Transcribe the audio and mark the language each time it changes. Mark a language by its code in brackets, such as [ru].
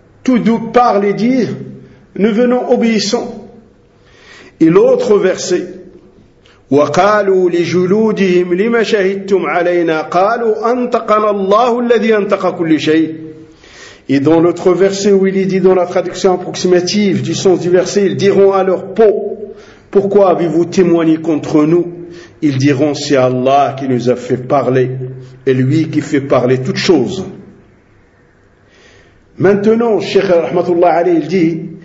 [fr] Tous deux parlent et disent, nous venons obéissants. Et l'autre verset, [ar] وَقَالُوا لِجُلُودِهِمْ لِمَ شَهِدْتُمْ عَلَيْنَا قَالُوا أَنْتَقَنَ اللَّهُ الَّذِي أَنْتَقَ كُلِّ شَيْءٍ. [fr] Et dans l'autre verset où il est dit dans la traduction approximative du sens du verset, ils diront à leur peau, pourquoi avez-vous témoigné contre nous? Ils diront, c'est Allah qui nous a fait parler, et lui qui fait parler toutes choses. Maintenant, Cheikh Rahmatullah Ali, il dit,